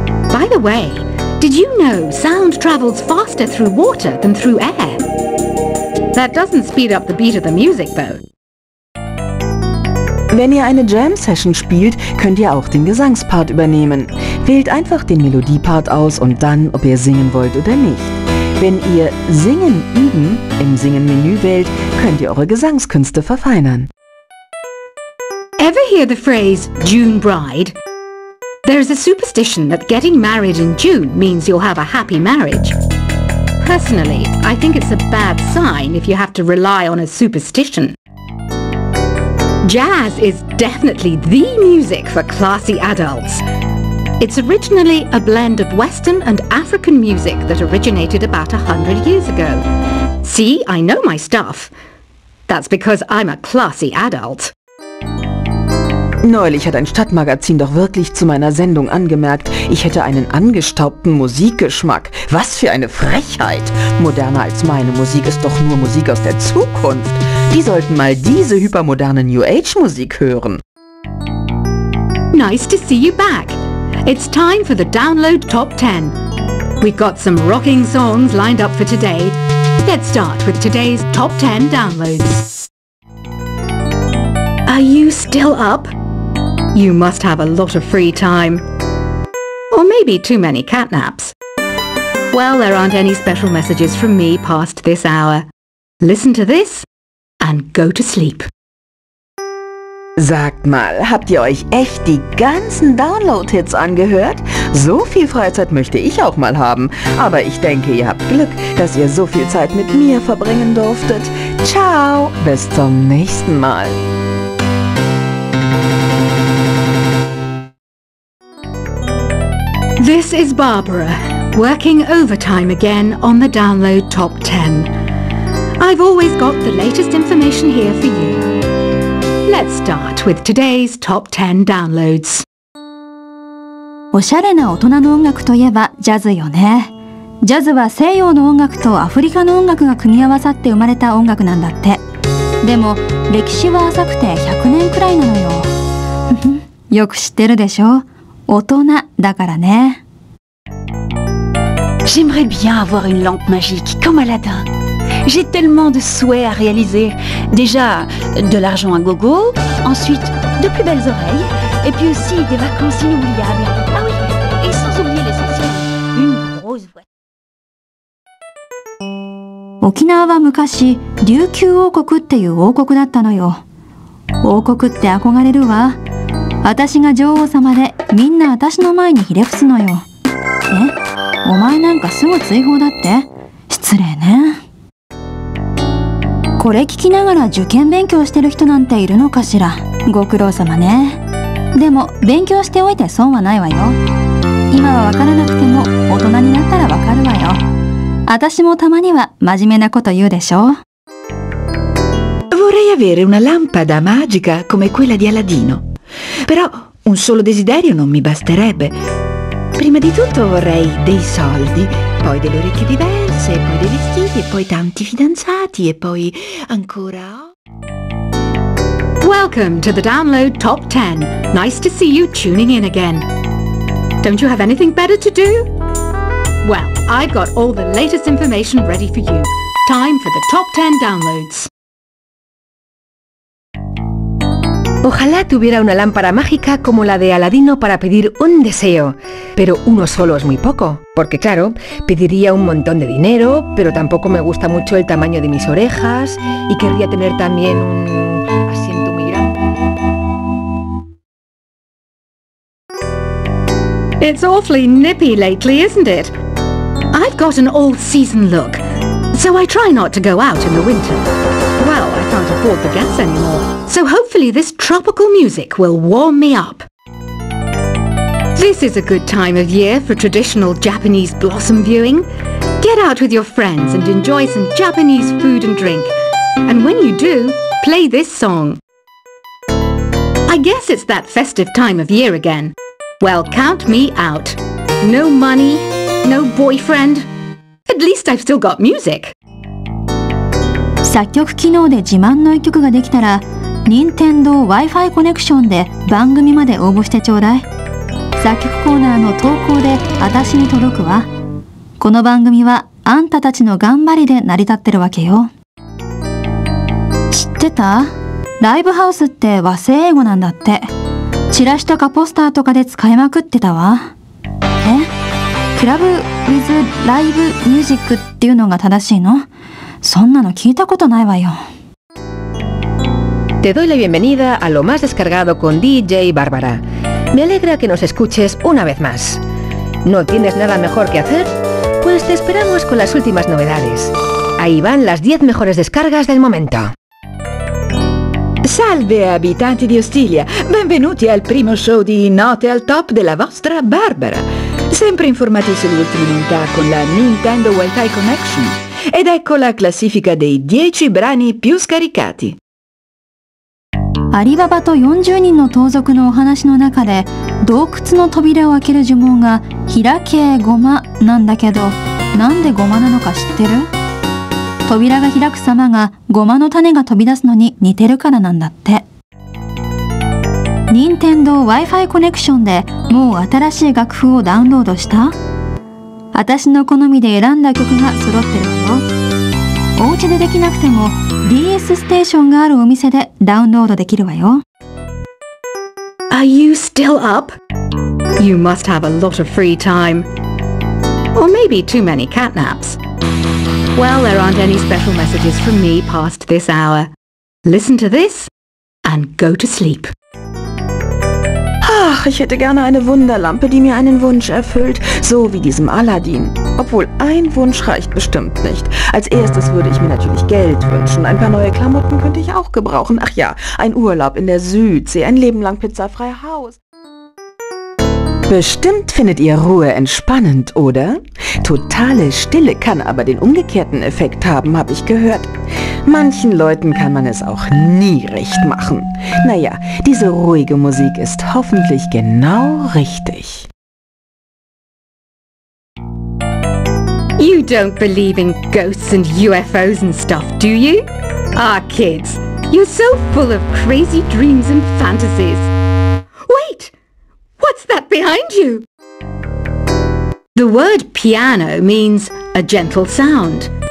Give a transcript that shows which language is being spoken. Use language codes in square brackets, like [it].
[en] By the way, did you know sound travels faster through water than through air? That doesn't speed up the beat of the music though. [de] Wenn ihr eine Jam Session spielt, könnt ihr auch den Gesangspart übernehmen. Wählt einfach den Melodiepart aus und dann, ob ihr singen wollt oder nicht. Wenn ihr Singen üben im Singen-Menü wählt, könnt ihr eure Gesangskünste verfeinern. [en] Ever hear the phrase June Bride? There is a superstition that getting married in June means you'll have a happy marriage. Personally, I think it's a bad sign if you have to rely on a superstition. Jazz is definitely the music for classy adults. It's originally a blend of Western and African music that originated about 100 years ago. See, I know my stuff. That's because I'm a classy adult. [de] Neulich hat ein Stadtmagazin doch wirklich zu meiner Sendung angemerkt, ich hätte einen angestaubten Musikgeschmack. Was für eine Frechheit! Moderner als meine Musik ist doch nur Musik aus der Zukunft. Die sollten mal diese hypermoderne New Age Musik hören. [en] Nice to see you back. It's time for the download top 10. We've got some rocking songs lined up for today. Let's start with today's top 10 downloads. Are you still up? You must have a lot of free time. Or maybe too many catnaps. Well, there aren't any special messages from me past this hour. Listen to this and go to sleep. [de] Sagt mal, habt ihr euch echt die ganzen Download-Hits angehört? So viel Freizeit möchte ich auch mal haben. Aber ich denke, ihr habt Glück, dass ihr so viel Zeit mit mir verbringen durftet. Ciao, bis zum nächsten Mal. [en] This is Barbara, working overtime again on the Download Top 10. I've always got the latest information here for you. Let's start with today's top 10 downloads. [ja] おしゃれな大人の音楽といえばジャズよね。ジャズは西洋の音楽とアフリカの音楽が組み合わさって生まれた音楽なんだって。でも歴史は浅くて100年くらいなのよ。よく知ってるでしょ。大人だからね。 [fr] J'aimerais bien avoir une lampe magique comme Aladdin. J'ai tellement de souhaits à réaliser. Déjà, de l'argent à gogo, ensuite, de plus belles oreilles, et puis aussi des vacances inoubliables. Ah oui, et sans oublier l'essentiel, une grosse voiture. [ja] 沖縄は昔、琉球王国っていう王国だったのよ。王国って憧れるわ。私が女王様で、みんな私の前にひれ伏すのよ。え？お前なんかすぐ追放だって？失礼ね。これ聞きながら受験勉強してる人なんているのかしら。ご苦労様ね。でも勉強しておいて損はないわよ。今はわからなくても大人になったらわかるわよ。私もたまには真面目なこと言うでしょ。 [it] Vorrei avere una lampada magica come quella di Aladino. Però un solo desiderio non mi basterebbe. Prima di tutto vorrei dei soldi, poi delle orecchie diverse. [en] Welcome to the Download Top 10. Nice to see you tuning in again. Don't you have anything better to do? Well, I've got all the latest information ready for you. Time for the Top 10 downloads. [es] Ojalá tuviera una lámpara mágica como la de Aladino para pedir un deseo. Pero uno solo es muy poco. Porque claro, pediría un montón de dinero, pero tampoco me gusta mucho el tamaño de mis orejas y querría tener también un asiento muy grande. [en] It's awfully nippy lately, isn't it? I've got an all-season look, so I try not to go out in the winter. Well, I can't afford the gas anymore, so hopefully this tropical music will warm me up. This is a good time of year for traditional Japanese blossom viewing. Get out with your friends and enjoy some Japanese food and drink. And when you do, play this song. I guess it's that festive time of year again. Well, count me out. No money, no boyfriend. At least I've still got music. [ja] 作曲機能で自慢の一曲ができたら、任天堂 Wi-Fi コネクションで番組まで応募してちょうだい。作曲コーナーの投稿で私に届くわ。この番組はあんたたちの頑張りで成り立ってるわけよ。知ってた？ライブハウスって和製英語なんだって。チラシとかポスターとかで使いまくってたわ。え？クラブ with ライブミュージックっていうのが正しいの？そんなの聞いたことないわよ。 [es] Te doy la bienvenida a lo más descargado con DJ Bárbara. Me alegra que nos escuches una vez más. ¿No tienes nada mejor que hacer? Pues te esperamos con las últimas novedades. Ahí van las 10 mejores descargas del momento. [it] Salve, abitanti di Ostiglia. Benvenuti al primo show di Note al Top della vostra Bárbara. Sempre informati sull'ultima novità con la Nintendo Wi-Fi Connection. Ed ecco la classifica dei 10 brani più scaricati. [ja] アリババと40人の盗賊のお話の中で、洞窟の扉を開ける呪文が開けゴマなんだけど、なんでゴマなのか知ってる？扉が開く様がゴマの種が飛び出すのに似てるからなんだって。任天堂 Wi-Fi コネクションでもう新しい楽譜をダウンロードした？私の好みで選んだ曲が揃ってるわよ。お家でできなくてもDS ステーションがあるお店でダウンロードできるわよ。 [en] Are you still up? You must have a lot of free time. Or maybe too many catnaps. Well, there aren't any special messages from me past this hour. Listen to this and go to sleep. [de] Ach, ich hätte gerne eine Wunderlampe, die mir einen Wunsch erfüllt, so wie diesem Aladdin. Obwohl, ein Wunsch reicht bestimmt nicht. Als erstes würde ich mir natürlich Geld wünschen. Ein paar neue Klamotten könnte ich auch gebrauchen. Ach ja, ein Urlaub in der Südsee, ein Leben lang pizzafrei Haus. Bestimmt findet ihr Ruhe entspannend, oder? Totale Stille kann aber den umgekehrten Effekt haben, habe ich gehört. Manchen Leuten kann man es auch nie recht machen. Naja, diese ruhige Musik ist hoffentlich genau richtig. [en] You don't believe in ghosts and UFOs and stuff, do you? Ah, kids, you're so full of crazy dreams and fantasies. Wait! What's that behind you? The word piano means a gentle sound.